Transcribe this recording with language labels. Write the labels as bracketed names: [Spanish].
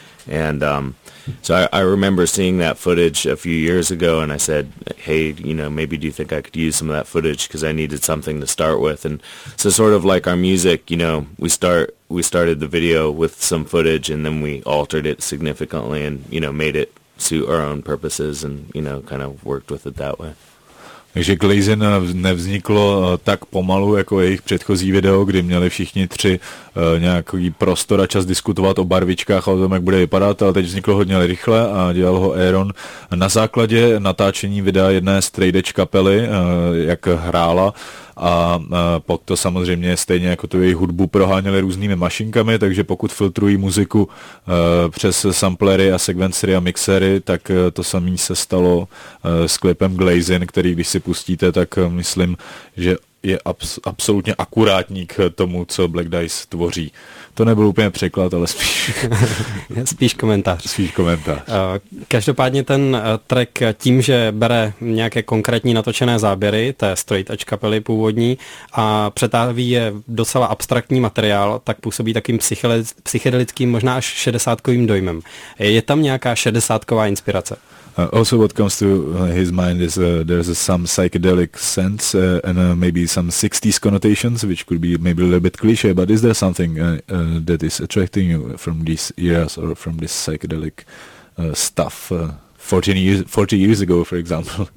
[English] And so I remember seeing that footage a few years ago, and I said, hey, you know, maybe do you think I could use some of that footage because I needed something to start with. And so sort of like our music, you know, we started the video with some footage, and then we altered it significantly and, you know, made it suit our own purposes and, you know, kind of worked with it that way. [Czech] Takže Glazin nevzniklo tak pomalu jako jejich předchozí video, kdy měli všichni tři nějaký prostor a čas diskutovat o barvičkách a o tom, jak bude vypadat, ale teď vzniklo hodně rychle a dělal ho Aaron na základě natáčení videa jedné straight edge kapely, jak hrála, a pod to samozřejmě stejně jako tu její hudbu proháněli různými mašinkami, takže pokud filtrují muziku přes samplery a sekvencery a mixery, tak to samé se stalo s klipem Glazin, který když si pustíte, tak myslím, že je absolutně akurátní k tomu, co Black Dice tvoří. To nebyl úplně překlad, ale spíš komentář. Každopádně ten track tím, že bere nějaké konkrétní natočené záběry té straight edge kapely původní a přetáví je docela abstraktní materiál, tak působí takým psychedelickým, možná až šedesátkovým dojmem. Je tam nějaká šedesátková inspirace? [English] Also what comes to his mind is there's some psychedelic sense and maybe some 60s connotations, which could be maybe a little bit cliche, but is there something that is attracting you from these years or from this psychedelic stuff 40 years ago, for example?